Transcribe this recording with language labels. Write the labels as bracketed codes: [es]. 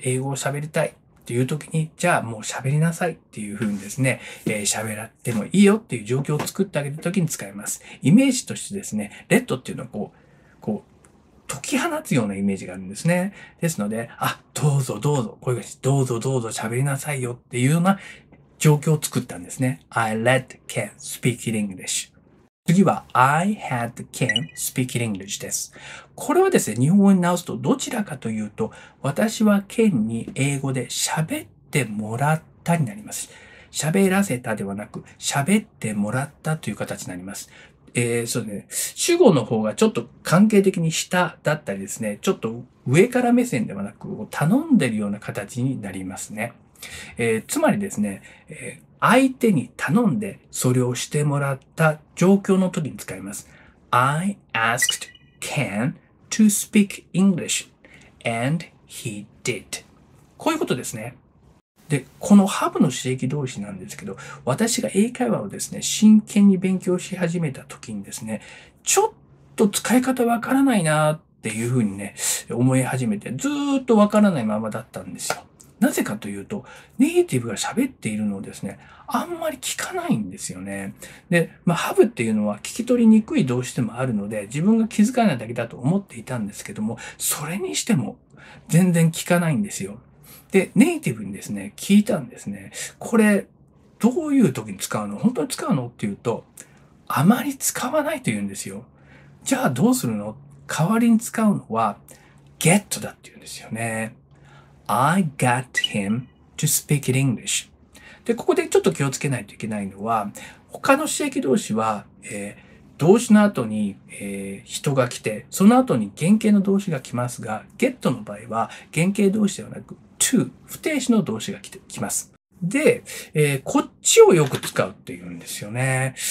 [ja] 英語を喋りたいっていう時に、じゃあもう喋りなさいっていうふうにですね、喋らってもいいよっていう状況を作ってあげる時に使います。イメージとしてですね、レッドっていうのはこう、解き放つようなイメージがあるんですね。ですので、あ、どうぞどうぞ、こういう感じ、どうぞどうぞ喋りなさいよっていうような状況を作ったんですね。 [en] I let Ken speak English. [ja] 次は [en] I had Ken speak English [ja] です。これはですね、日本語に直すとどちらかというと、私は Ken に英語で喋ってもらったになります。喋らせたではなく、喋ってもらったという形になります。そうですね。主語の方がちょっと関係的に下だったりですね、ちょっと上から目線ではなく、頼んでるような形になりますね。つまりですね、相手に頼んでそれをしてもらった状況の時に使います。 [en] I asked Ken to speak English and he did。 [ja] こういうことですね。で、このハブの刺激動詞なんですけど、私が英会話をですね、真剣に勉強し始めた時にですね、ちょっと使い方わからないなっていうふうにね、思い始めて、ずーっとわからないままだったんですよ。なぜかというと、ネイティブが喋っているのをですね、あんまり聞かないんですよね。で、まあ、ハブっていうのは聞き取りにくい動詞でもあるので、自分が気づかないだけだと思っていたんですけども、それにしても全然聞かないんですよ。で、ネイティブにですね、聞いたんですね。これ、どういう時に使うの？本当に使うの？って言うと、あまり使わないと言うんですよ。じゃあどうするの？代わりに使うのは、get だって言うんですよね。 [en] I got him to speak in English。 [ja] で、ここでちょっと気をつけないといけないのは、他の刺激動詞は、動詞の後に、人が来て、その後に原型の動詞が来ますが、get の場合は原型動詞ではなく、to、不定詞の動詞が来ます。で、こっちをよく使うっていうんですよね。